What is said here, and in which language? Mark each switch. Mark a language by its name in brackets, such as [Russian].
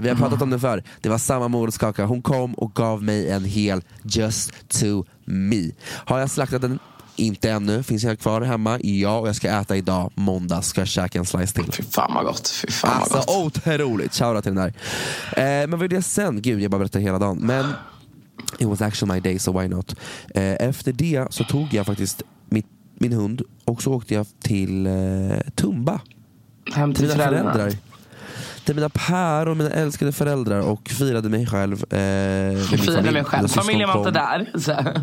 [Swedish] Vi har pratat om det förr. Det var samma morotskaka. Hon kom och gav mig en hel [English] just to me. [Swedish] Har jag slaktat den? Inte ännu. Finns jag kvar hemma? Ja, och jag ska äta idag. Måndag ska jag käka en slice till. Fy fan vad gott. Fy fan vad alltså, gott. Otroligt. Shoutout till den där. Men vad är det sen? Gud, jag bara berättar hela dagen. [English] Men it was actually my day, so why not? [Swedish] Efter det så tog jag faktiskt min hund, och så åkte jag till Tumba. Hem till mina föräldrar. Till mina pär och mina älskade föräldrar, och firade mig själv. Firade mig själv. Familjen var inte där. Så.